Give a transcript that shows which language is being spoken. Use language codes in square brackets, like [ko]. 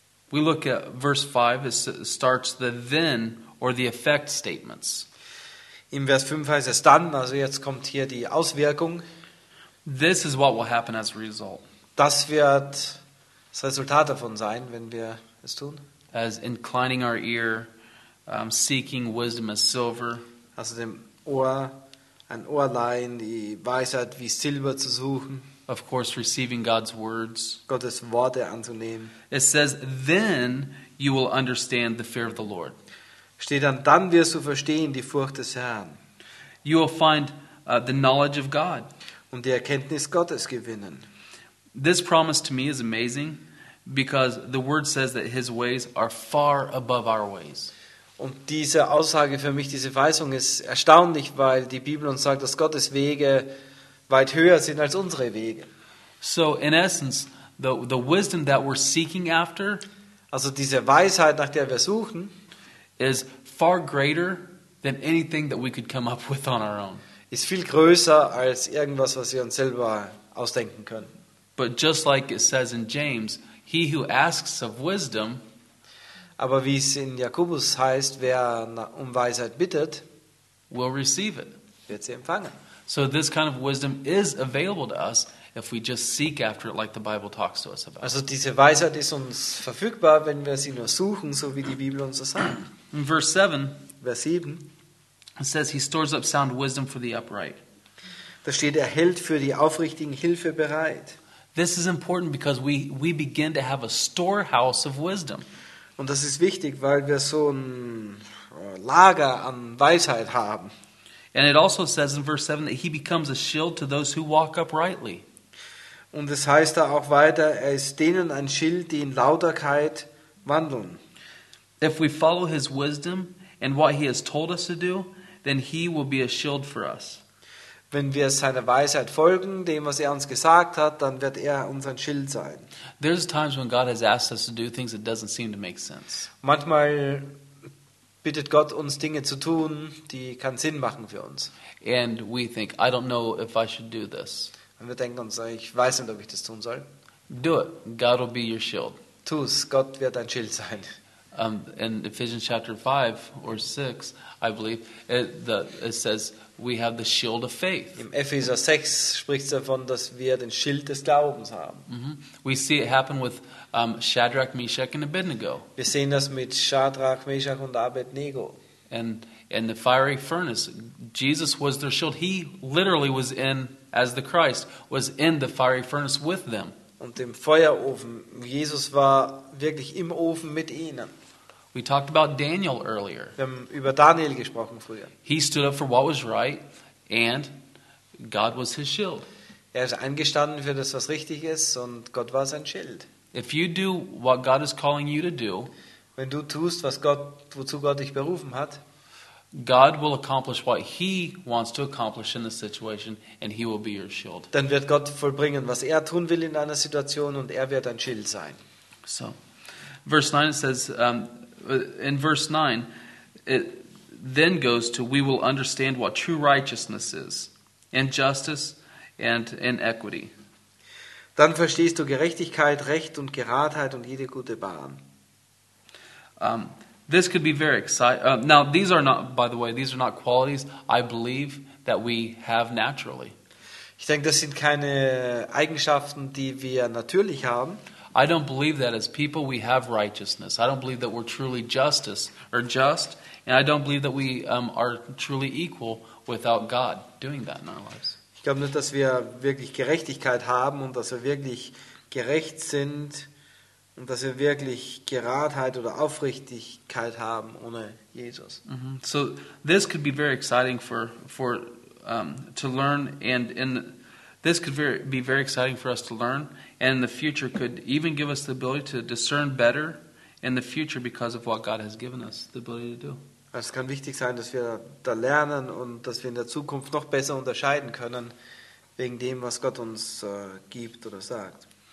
[en] We look at verse 5, it starts the then or the effect statements. [de] Im Vers 5 heißt es dann, also jetzt kommt hier die Auswirkung. [en] This is what will happen as a result. [de] Das wird das Resultat davon sein, wenn wir es tun. [en] As inclining our ear, seeking wisdom as silver. [de] Also dem Ohr, ein Ohr leihen, die Weisheit wie Silber zu suchen. [en] Of course, receiving God's words. [de] Gottes Worte anzunehmen. [en] It says, then you will understand the fear of the Lord. [de] Steht dann wirst du verstehen die Furcht des Herrn. [en] You will find the knowledge of God. [de] Und die Erkenntnis Gottes gewinnen. [en] This promise to me is amazing because the word says that his ways are far above our ways. [de] Und diese Aussage für mich, diese Weisung ist erstaunlich, weil die Bibel uns sagt, dass Gottes Wege weit höher sind als unsere Wege. [en] So in essence, the wisdom that we're seeking after, [de] also diese Weisheit, nach der wir suchen, [en] is far greater than anything that we could come up with on our own. [de] Ist viel größer als irgendwas, was wir uns selber ausdenken können. [en] But just like it says in James, he who asks of wisdom, [de] aber wie es in Jakobus heißt, wer um Weisheit bittet, [en] will receive it. [de] Wird sie empfangen. [en] So this kind of wisdom is available to us if we just seek after it like the Bible talks to us about. [de] Also diese Weisheit ist uns verfügbar, wenn wir sie nur suchen, so wie die Bibel uns das sagt. In Vers [en] 7, it says, he stores up sound wisdom for the upright. [de] Da steht, er hält für die Aufrichtigen Hilfe bereit. [en] This is important because we begin to have a storehouse of wisdom. [de] Und das ist wichtig, weil wir so ein Lager an Weisheit haben. [en] And it also says in verse 7 that he becomes a shield to those who walk uprightly. [de] Und es heißt da auch weiter, er ist denen ein Schild, die in Lauterkeit wandeln. [en] If we follow his wisdom and what he has told us to do, then he will be a shield for us. [de] Wenn wir seiner Weisheit folgen, dem was er uns gesagt hat, dann wird er unser Schild sein. [en] There's times when God has asked us to do things that doesn't seem to make sense. [de] Manchmal bittet Gott uns Dinge zu tun, die keinen Sinn machen für uns. [en] And we think, I don't know if I should do this. [de] Und wir denken uns, ich weiß nicht, ob ich das tun soll. [en] Do it. God will be your shield. [de] Tu's. Gott wird dein Schild sein. [en] In Ephesians chapter 5 or 6, I believe, it says we have the shield of faith. [de] Im Epheser 6 spricht's davon, dass wir den Schild des Glaubens haben. [en] Mm-hmm. We see it happen with Shadrach, Meshach and Abednego. [de] Wir sehen das mit Shadrach, Meshach und Abednego. [en] And in the fiery furnace, Jesus was their shield. He literally was in, as the Christ, was in the fiery furnace with them. [de] Und im Feuerofen, Jesus war wirklich im Ofen mit ihnen. [en] We talked about Daniel earlier. [de] Wir haben über Daniel gesprochen früher. [en] He stood up for what was right, and God was his shield. [de] Er ist eingestanden für das, was richtig ist, und Gott war sein Schild. [en] If you do what God is calling you to do, [de] wenn du tust, was Gott, wozu Gott dich berufen hat, [en] God will accomplish what he wants to accomplish in the situation, and he will be your shield. [de] Dann wird Gott vollbringen, was er tun will in einer Situation, und er wird dein Schild sein. [en] So, verse 9 says, in verse 9, it then goes to, we will understand what true righteousness is, and justice, and equity. [de] Dann verstehst du Gerechtigkeit, Recht und Geradheit und jede gute Bahn. [en] This could be very exciting. Now, these are not, by the way, these are not qualities I believe that we have naturally. [de] Ich denke, das sind keine Eigenschaften, die wir natürlich haben. [en] I don't believe that as people we have righteousness. I don't believe that we're truly justice or just, and I don't believe that we are truly equal without God doing that in our lives. [de] Ich glaube nicht, dass wir wirklich Gerechtigkeit haben und dass wir wirklich gerecht sind. Und dass wir wirklich Geradheit oder Aufrichtigkeit haben ohne Jesus. Mm-hmm. [en] So this could be very exciting to learn, and in this could be very exciting for us to learn, and in the future could even give us the ability to discern better in the future because of what God has given us the ability to do. [de] Es kann wichtig sein, dass wir da lernen und dass wir in der Zukunft noch besser unterscheiden können wegen dem, was Gott uns gibt oder sagt.